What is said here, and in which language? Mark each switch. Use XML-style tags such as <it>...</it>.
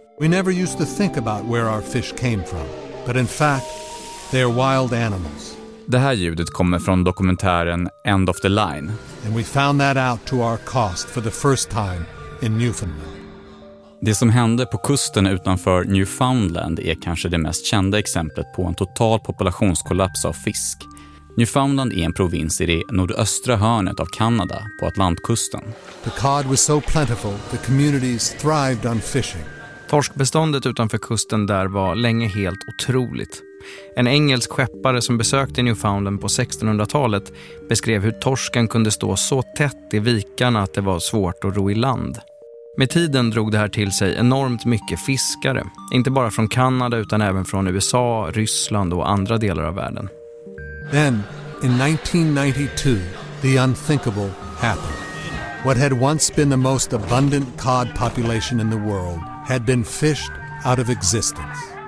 <en>We never used to think about where our fish came from, but in fact, they are wild animals.</en> <sv>Det här ljudet kommer från dokumentären End of the Line.</sv> <en>And we found that out to our cost for the first time. In Newfoundland.</en> <sv>Det som hände på kusten utanför Newfoundland är kanske det mest kända exemplet på en total populationskollaps av fisk. Newfoundland är en provins i det nordöstra hörnet av Kanada på Atlantkusten.</sv> <en>The cod was so plentiful, the communities thrived on fishing.</en> <sv>Torskbeståndet utanför kusten där var länge helt otroligt. En engelsk skeppare som besökte Newfoundland på 1600-talet beskrev hur torsken kunde stå så tätt i vikarna att det var svårt att ro i land. Med tiden drog det här till sig enormt mycket fiskare, inte bara från Kanada utan även från USA, Ryssland och andra delar av världen.</sv> <en>Then in 1992, the unthinkable happened. What had once been the most abundant cod population in the world had been fished out of existence.</en>